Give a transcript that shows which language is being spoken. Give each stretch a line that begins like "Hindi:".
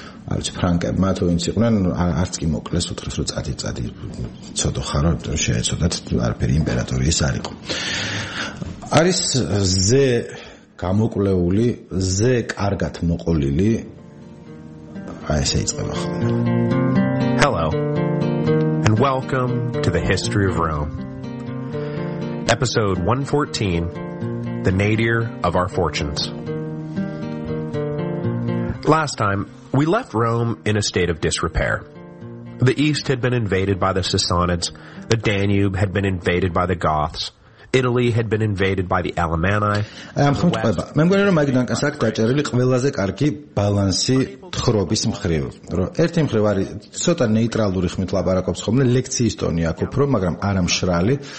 Georgian: არც ფრანკებმა თუ ვინც იყვნენ არც კი მოკლეს უთხრეს რომ წადი ცოტო ხარო იმიტომ რომ შეეცოდათ არაფერი იმპერატორი ეს არისო არის ზე გამოკვლეული ზე კარგად მოყოლილი აი ესე იწყება ხოლმე
English: Hello and welcome to the history of Rome episode 114 the nadir of our fortunes last time We left Rome in a state of disrepair. The East had been invaded by the Sassanids, the Danube had been invaded by the Goths, Italy had been invaded by the Alemanni.
Georgian: მე მგონი რომ მაიკ დანკანს აქვს დაჭერილი ყველაზე კარგი ბალანსი თხრობის მხრივ, რომ ერთი მხრივ არის ცოტა ნეიტრალური ხმით ლაპარაკობს ხოლმე, ლექციის ტონი აქვს უფრო, მაგრამ არა მშრალი.